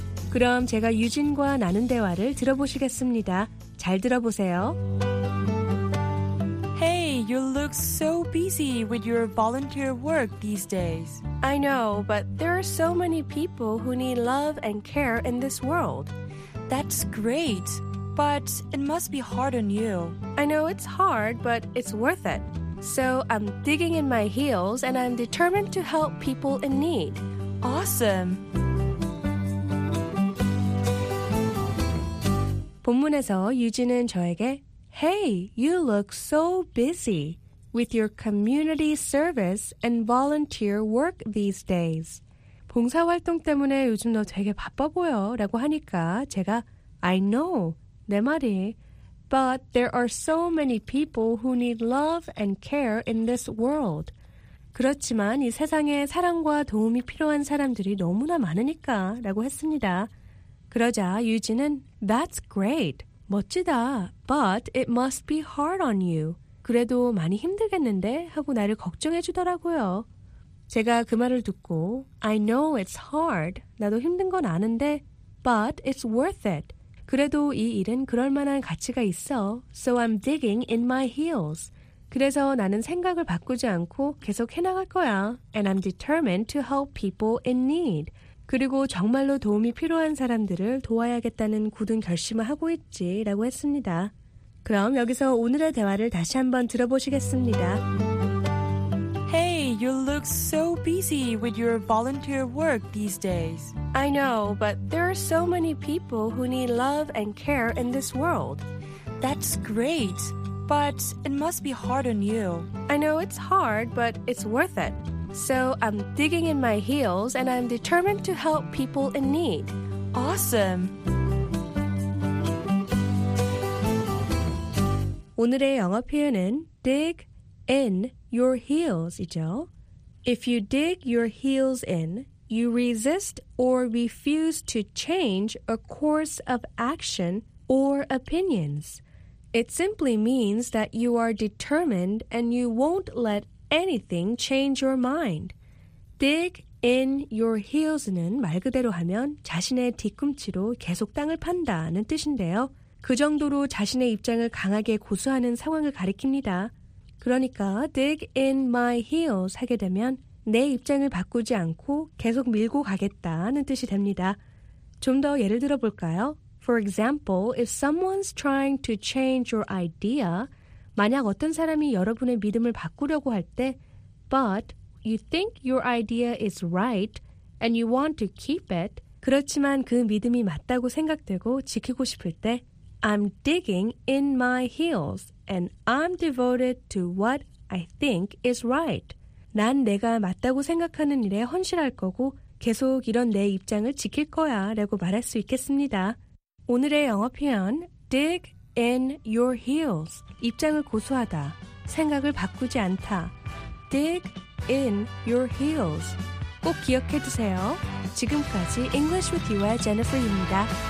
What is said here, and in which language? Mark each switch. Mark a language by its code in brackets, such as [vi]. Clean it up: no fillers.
[ko] 그럼 제가 유진과 나눈 대화를 들어보시겠습니다. 잘 들어보세요. [en] Hey, you look so busy with your volunteer work these days. I know, but there are so many people who need love and care in this world. That's great. But it must be hard on you. I know it's hard, but it's worth it. So I'm digging in my heels, and I'm determined to help people in need. Awesome. [ko] 본문에서 유진은 저에게 [en] Hey, you look so busy with your community service and volunteer work these days. [ko] 봉사활동 때문에 요즘 너 되게 바빠 보여 라고 하니까 제가 [en] I know, [ko] 내 말이. [en] But there are so many people who need love and care in this world. [ko] 그렇지만 이 세상에 사랑과 도움이 필요한 사람들이 너무나 많으니까 라고 했습니다. 그러자 유진은 [en] That's great. [ko] 멋지다. [en] But it must be hard on you. [ko] 그래도 많이 힘들겠는데? 하고 나를 걱정해 주더라고요. 제가 그 말을 듣고 [en] I know it's hard. [ko] 나도 힘든 건 아는데 [en] But it's worth it. [ko] 그래도 이 일은 그럴 만한 가치가 있어. [en] So I'm digging in my heels. [ko] 그래서 나는 생각을 바꾸지 않고 계속 해나갈 거야. [en] And I'm determined to help people in need. [ko] 그리고 정말로 도움이 필요한 사람들을 도와야겠다는 굳은 결심을 하고 있지 라고 했습니다. 그럼 여기서 오늘의 대화를 다시 한번 들어보시겠습니다. [en] Hey, you look so busy with your volunteer work these days. I know, but there are so many people who need love and care in this world. That's great, but it must be hard on you. I know it's hard, but it's worth it. So I'm digging in my heels, and I'm determined to help people in need. Awesome! [ko] 오늘의 영어 표현은 dig in your heels이죠. [en] If you dig your heels in, you resist or refuse to change a course of action or opinions. It simply means that you are determined and you won't let anything change your mind. [ko] Dig in your heels는 말 그대로 하면 자신의 뒤꿈치로 계속 땅을 판다는 뜻인데요. 그 정도로 자신의 입장을 강하게 고수하는 상황을 가리킵니다. 그러니까 dig in my heels 하게 되면 내 입장을 바꾸지 않고 계속 밀고 가겠다는 뜻이 됩니다. 좀 더 예를 들어볼까요? [en] For example, if someone's trying to change your idea, [ko] 만약 어떤 사람이 여러분의 믿음을 바꾸려고 할 때, [en] But you think your idea is right and you want to keep it. [ko] 그렇지만 그 믿음이 맞다고 생각되고 지키고 싶을 때, [en] I'm digging in my heels and I'm devoted to what I think is right. [ko] 난 내가 맞다고 생각하는 일에 헌신할 거고 계속 이런 내 입장을 지킬 거야 라고 말할 수 있겠습니다. 오늘의 영어 표현, dig in your heels. 입장을 고수하다, 생각을 바꾸지 않다. [en] Dig in your heels. [ko] 꼭 기억해 두세요. 지금까지 English with you와 Jennifer입니다.